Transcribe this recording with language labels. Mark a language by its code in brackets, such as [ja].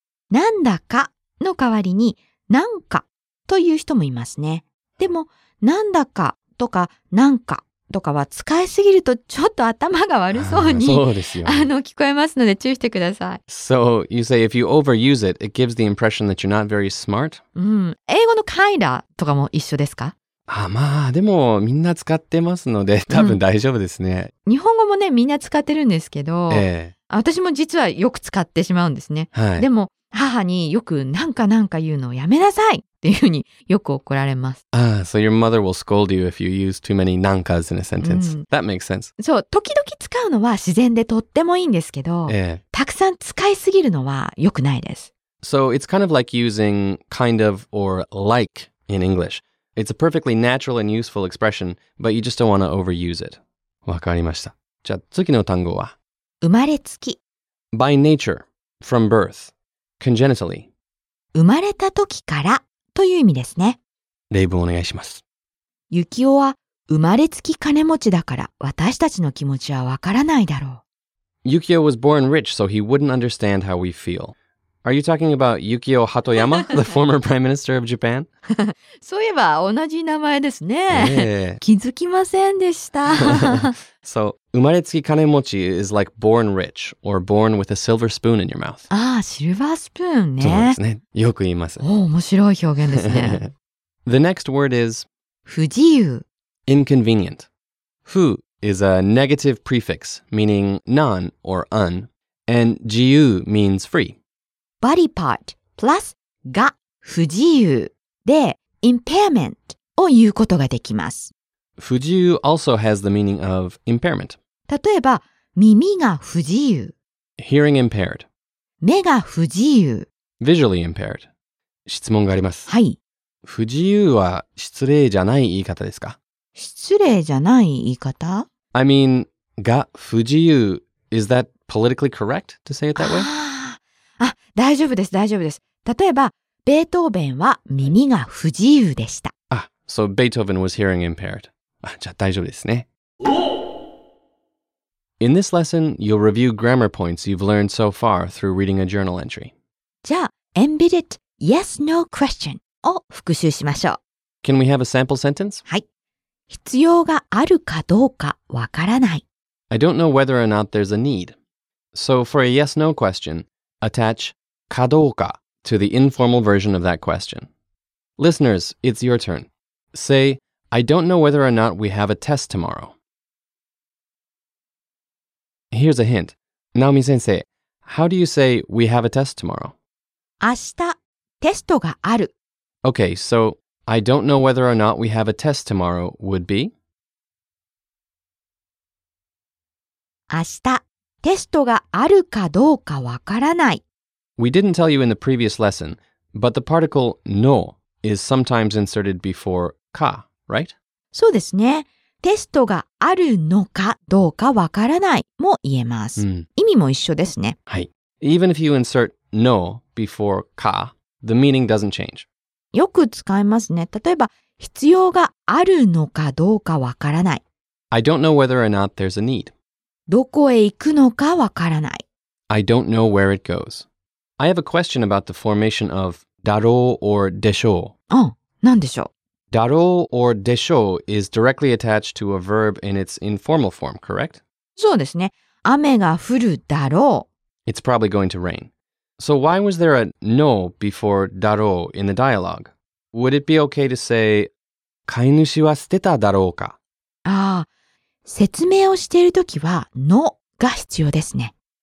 [ja] なんだかの代わりに、なんかという人もいますね。でも、なんだかとか、なんかとかは使いすぎるとちょっと頭が悪そうに、そうですよ。聞こえますので注意してください。 [en] So, you say if you overuse it, it gives the impression that you're not very smart? [ja] うん。英語の kinda とかも一緒ですか？あ、まあ、でもみんな使ってますので多分大丈夫ですね。うん、日本語もね、みんな使ってるんですけど、私も実はよく使ってしまうんですね。はい、でも、母によくなんかなんか言うのをやめなさいっていうふうによく怒られます。 [en] Ah, so your mother will scold you if you use too many なんかs in a sentence.、うん、That makes sense. [ja] そう、時々使うのは自然でとってもいいんですけど、たくさん使いすぎるのはよくないです。 [en] So it's kind of like using kind of or like in English. It's a perfectly natural and useful expression, but you just don't want to overuse it. [ja] わかりました。じゃあ次の単語は生まれつき。 [en] By nature, from birth. Congenitally. [ja] 生まれた時からという意味ですね。例文お願いします。ユキオは生まれつき金持ちだから私たちの気持ちはわからないだろう。 [en] ユキオ was born rich, so he wouldn't understand how we feel. Are you talking about ユキオ・ハトヤマ, the former prime minister of Japan? [ja] そういえば同じ名前ですね。気づきませんでした。 [en] So, [ja] 生まれつき金持ち [en] is like born rich or born with a silver spoon in your mouth. [ja] ああ、シルバースプーンね。そうですね。よく言います。おお、面白い表現ですね。 [en] The next word is [ja] 不自由 [en] inconvenient. 不 is a negative prefix meaning non or un, and 自由 means free. Body part plus [ja] が不自由で impairment を言うことができます。 [en] 不自由 also has the meaning of impairment. [ja] 例えば、耳が不自由。 [en] Hearing impaired. [ja] 目が不自由。 [en] Visually impaired. [ja] 質問があります。はい。不自由は失礼じゃない言い方ですか？失礼じゃない言い方？ [en] I mean, が不自由 is that politically correct to say it that way? [ja] あ、大丈夫です、大丈夫です。例えば、ベートーベンは耳が不自由でした。 [en] あ、so Beethoven was hearing impaired. [ja] あ、じゃあ大丈夫ですね。 [en] In this lesson, you'll review grammar points you've learned so far through reading a journal entry. [ja] じゃあ、embedded yes-no question を復習しましょう。 [en] Can we have a sample sentence? [ja] はい。必要があるかどうかわからない。 [en] I don't know whether or not there's a need. So for a yes-no question,Attach かどうか to the informal version of that question. Listeners, it's your turn. Say, I don't know whether or not we have a test tomorrow. Here's a hint. Naomi sensei, how do you say we have a test tomorrow? [ja] 明日、テストがある。 [en] Okay, so I don't know whether or not we have a test tomorrow would be? [ja] 明日、テストがあるかどうかわからない。 [en] We didn't tell you in the previous lesson, but the particle no is sometimes inserted before か、right? [ja] そうですね。テストがあるのかどうかわからないも言えます。 Mm. 意味も一緒ですね。はい。 [en] Even if you insert no before か、the meaning doesn't change. [ja] よく使いますね。例えば、必要があるのかどうかわからない。 [en] I don't know whether or not there's a need. [ja] どこへ行くのかわからない。 [en] I don't know where it goes. I have a question about the formation of だろう or でしょう。 [ja] あ、なんでしょう。 [en] だろう or でしょう is directly attached to a verb in its informal form, correct? [ja] そうですね。雨が降るだろう。 [en] It's probably going to rain. So why was there a no before だろう in the dialogue? Would it be okay to say, [ja] 飼い主は捨てただろうか? ああ、説明をしているときはのが必要ですね。